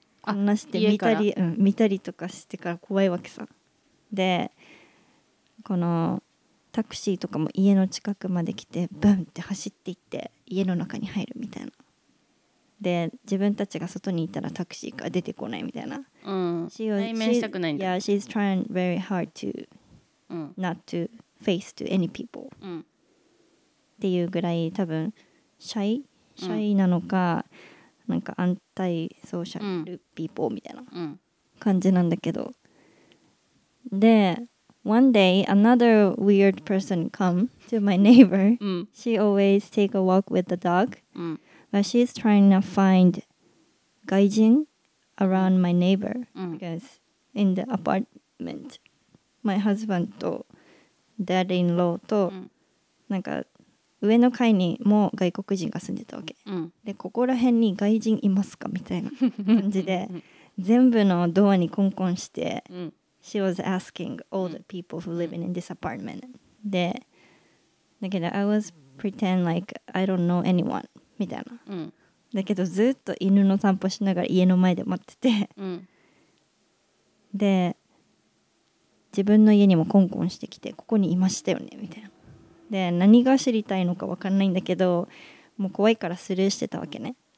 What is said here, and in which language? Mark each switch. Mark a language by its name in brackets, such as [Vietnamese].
[Japanese] 話して見たり、うん、見たりとかしてから怖いわけさ。でこのタクシーとかも家の近くまで来てブンって走っていって家の中に入るみたいな。で自分たちが外にいたらタクシーから出てこないみたいな。うん、対面したくないんだ。 [English] Yeah, she's trying very hard to not to face to any people、 [Japanese] うん、っていうぐらい多分シャイなのか、うん、なんか [English] アンタイソーシャルピーポー [Japanese] みたいな感じなんだけど、うん、 [English] で One day another weird person come to my neighbor、 [Japanese] うん、 [English] She always take a walk with the dog、 [Japanese] うん、 [English] But she's trying to find 外人 around my neighbor、 [Japanese] うん、 [English] Because in the apartment My husband と Dad-in-law と、 [Japanese] うん、なんか上の階にも外国人が住んでたわけ、うん、でここら辺に外人いますかみたいな感じで全部のドアにコンコンして、うん、 [English] She was asking all the people who live in this apartment、 [Japanese] うん、でだけど [English] I was pretend like I don't know anyone [Japanese] みたいな、うん、だけどずっと犬の散歩しながら家の前で待ってて、うん、で自分の家にもコンコンしてきてここにいましたよねみたいな。で何が知りたいのか分かんないんだけどもう怖いからスルーしてたわけね。